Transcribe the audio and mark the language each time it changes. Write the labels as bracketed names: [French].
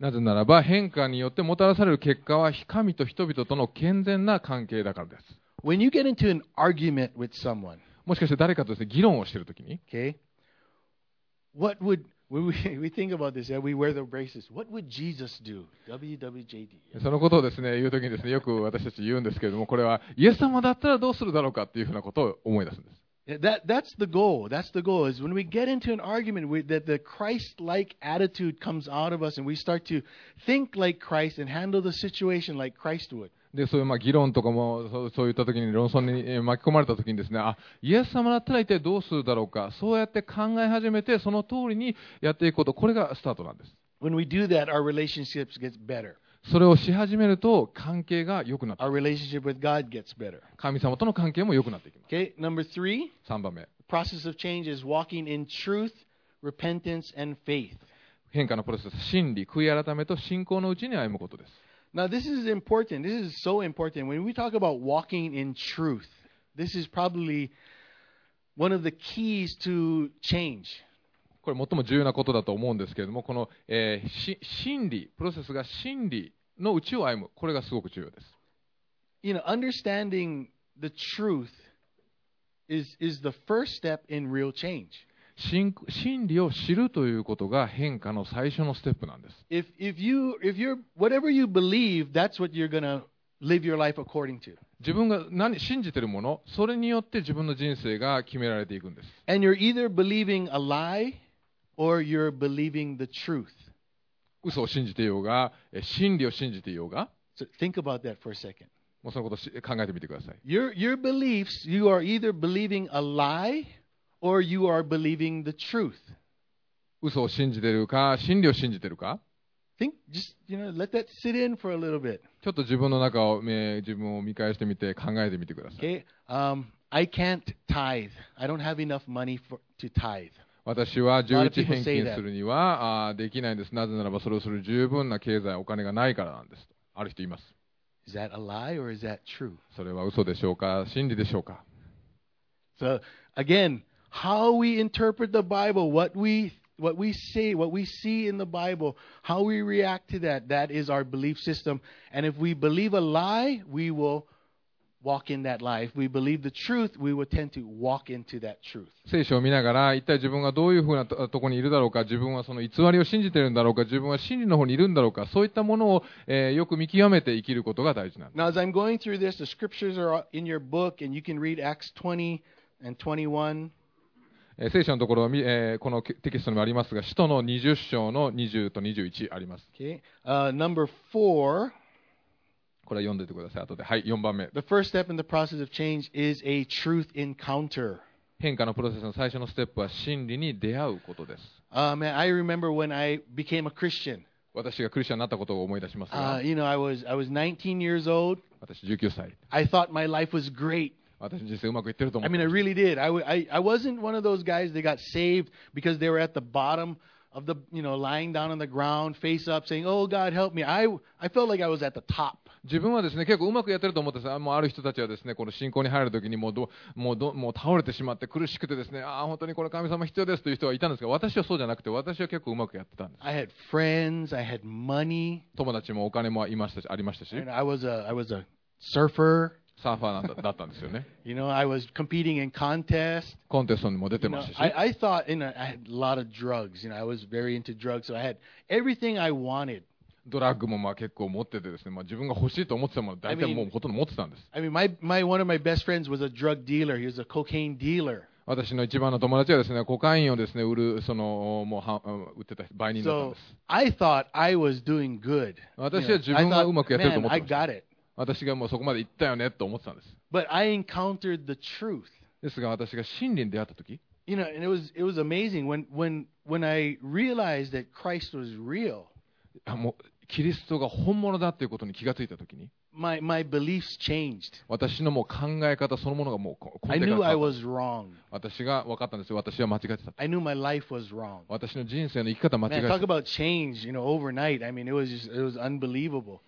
[Japanese] なぜならば変化によってもたらされる結果は神と人々との健全な関係だからです。 [English] When you get into an argument with someone, [Japanese] もしかして誰かとですね、議論をしているときに、 [English] okay. What would we think about this? Yeah, we wear the braces. What would Jesus do? WWJD. [Japanese] そのことをですね、言うときにですね、よく私たち言うんですけれども、これはイエス様だったらどうするだろうかっていうふうなことを思い出すんです。 [English] That's the goal. That's the goal is when we get into an argument that the Christ-like attitude comes out of us and we start to think like Christ and handle the situation like Christ would. [Japanese] でそういうまあ議論とかもそういったときに論争に巻き込まれたときにですね、あ、イエス様だったら一体どうするだろうか、そうやって考え始めてその通りにやっていくこと、これがスタートなんです。 [English] When we do that, our relationships gets better. [Japanese] それをし始めると関係が良くなって [English] our relationship with God gets better. [Japanese] 神様との関係も良くなっていきます。 [English] Okay, number three. [Japanese] 三番目。 [English] The process of change is walking in truth, repentance, and faith. [Japanese] 変化のプロセス、真理、悔い改めと信仰のうちに歩むことです。 [English] Now this is important. This is so important. When we talk about walking in truth, this is probably one of the keys to change. [Japanese] これ最も重要なことだと思うんですけれども、この、真理、プロセスが真理のうちを歩む、これがすごく重要です。 [English] You know, understanding the truth is the first step in real change. [Japanese] 真理を知るということが変化の最初のステップなんです。 [English] whatever you believe, that's what you're gonna live your life according to. [Japanese] 自分が何信じているもの、それによって自分の人生が決められていくんです。 [English] And you're either believing a lie or you're believing the truth. [Japanese] 嘘を信じていようが、真理を信じていようが。 [English] So think about that for a second. [Japanese] もうそのことを考えてみてください。 [English] Your beliefs, you are either believing a lie. Or you are believing the truth. [Japanese] 嘘を信じているか、真理を信じているか。 [English] Think, just, you know, let that sit in for a little bit. [Japanese] ちょっと自分の中を、自分を見返してみて、考えてみてください。 [English] Okay. I can't tithe. I don't have enough money to tithe. [Japanese] 私は11返金するにはできないんです。なぜならば、それをする十分な経済、お金がないからなんです。ある人います。 [English] Is that a lie or is that true? [Japanese] それは嘘でしょうか、真理でしょうか。 [English] So, again, how we interpret the Bible, what we what we say, what we see in the Bible, how we react to that, that is our belief system. And if we believe a lie, we will walk in that lie. If we believe the truth, we will tend to walk into that truth. [Japanese] 聖書を見ながら、一体自分がどういうふうな ところにいるだろうか、自分はその偽りを信じているんだろうか、自分は真理の方にいるんだろうか、そういったものを、よく見極めて生きることが大事なんです。 [English] Now, as I'm going through this, the scriptures are in your book, and you can read Acts 20 and 21. [Japanese] 聖書のところ、このテキストにもありますが、使徒の20章の20と21あります。 [English] Okay. Number four. [Japanese] これは読んでてください。後で。はい、4番目。 [English] The first step in the process of change is a truth encounter. [Japanese] 変化のプロセスの最初のステップは真理に出会うことです。 [English] Man, I remember when I became a Christian. [Japanese] 私がクリスチャンになったことを思い出しますが。 [English] You know, I was 19 years old. [Japanese] 私19歳。 [English] I thought my life was great. [Japanese] 私の人生うまくいってると思う。 [English] I mean, I really did. I wasn't one of those guys that got saved because they were at the bottom of the, you know, lying down on the ground, face up, saying, "Oh God, help me." I felt like I was at the top. [Japanese] 自分はですね、結構うまくやってると思ってさ、もうある人たちはですね、この信仰に入るときにもう倒れてしまって苦しくてですね、ああ本当にこの神様必要ですという人はいたんですが、私はそうじゃなくて、私は結構うまくやってたんです。 [English] I had friends, I had money. [Japanese] 友達もお金もいましたし、ありましたし。 [English] I was a surfer. [Japanese] サーファーだったんですよね。 [English] You know, I was competing in contest. [Japanese] コンテストにも出てましたし。 [English] You know, I thought, you know, I had a lot of drugs. You know, I was very into drugs, so I had everything I wanted. [Japanese] ドラッグもまあ結構持っててですね。まあ、自分が欲しいと思ってたもの、大体もうほとんど持ってたんです。 [English] I mean, my one of my best friends was a drug dealer. He was a cocaine dealer. [Japanese] 私の一番の友達はですね、コカインをですね、売る、その、もう、売ってた売人だったんです。 [English] So, I thought I was doing good. [Japanese] 私は自分がうまくやってると思ってた。 [English] I got it. [Japanese] 私がもうそこまで行ったよねと思ってたんです。 [English] But I encountered the truth. [Japanese] ですが私が真理に出会った時、 [English] you know, and it was amazing when I realized that Christ was real. [Japanese] もうキリストが本物だということに気がついた時に、 [English] my beliefs changed. [Japanese] 私のもう考え方そのものがもう根底から変わった。 [English] I knew I was wrong. [Japanese] 私が分かったんですよ。私は間違ってた。 [English] I knew my life was wrong. [Japanese] 私の人生の生き方間違ってた。 [English] Man, talk about change, you know, overnight. I mean, it was unbelievable.